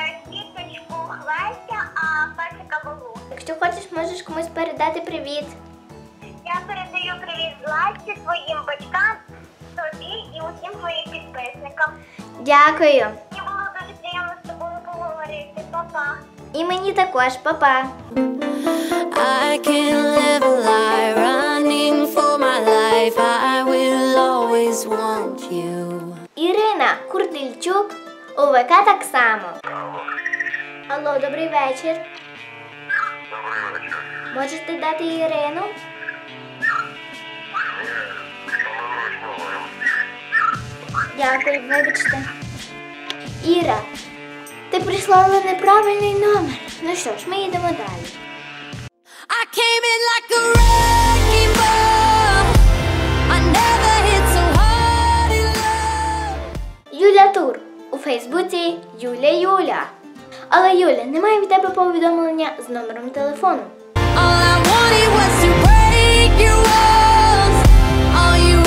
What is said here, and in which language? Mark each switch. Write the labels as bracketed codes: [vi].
[uk] Кіточку Хвестя, а песика Балу. Якщо хочеш, можеш комусь передати привіт. Я передаю привіт Ласці, твоїм батькам, тобі і усім твоїм підписникам. Дякую. Мені було дуже приємно з тобою поговорити. Па-па. І мені також. Па-па. [en] I can live a lie running for my life. I will always want you. [uk] Ірина Курдильчук у ВК так само. Алло, добрий вечір. Добрий вечір. Можете дати Ірину? Дякую, вибачте. Іра, ти прислала неправильний номер. Ну що ж, ми йдемо далі. [en] I came in like a wrecking ball. I never hit so hard in love. [uk] Юля Тур у Фейсбуці Юля Юля. Але Юля, немає від тебе повідомлення з номером телефону. [en] All I wanted was to break your walls. All